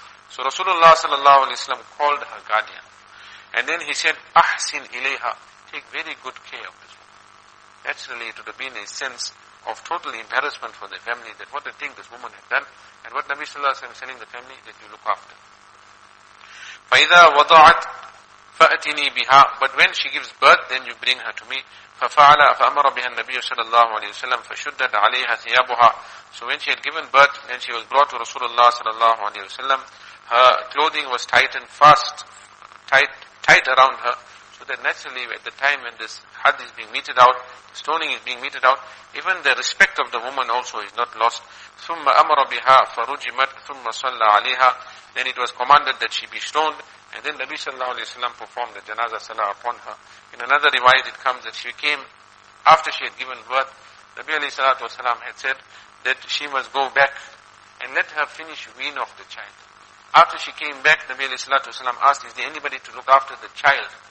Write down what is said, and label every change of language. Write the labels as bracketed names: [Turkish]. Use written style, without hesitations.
[English] So Rasulullah sallallahu alayhi wa sallam called her guardian and then he said, [Arabic] أَحْسِنْ إِلَيْهَا, [English] take very good care of this woman. Naturally it would have been a sense of total embarrassment for the family, that what a thing this woman had done. And what Nabi sallallahu alayhi wa sallam is telling the family, that you look after. [Arabic] فَإِذَا وَضَعَتْ فأتني بها. [English] But when she gives birth, then you bring her to me. [Arabic] ففعل فأمر بها النبي صلى الله عليه وسلم فشدد عليها ثيابها. [English] So when she had given birth, then she was brought to Rasulullah [Arabic] صلى الله عليه وسلم. [English] Her clothing was tightened fast, tight around her, so that naturally at the time when this had is being meted out, stoning is being meted out, even the respect of the woman also is not lost. [Arabic] ثم أمر بها فرجمت ثم صلى عليها. [English] Then it was commanded that she be stoned. And then Nabi sallallahu alayhi wa sallam performed the janazah salah upon her. In another riwayat it comes that she came after she had given birth. Nabi alayhi salatu wa sallam had said that she must go back and let her finish wean off the child. After she came back, Nabi alayhi salatu wa sallam asked, is there anybody to look after the child?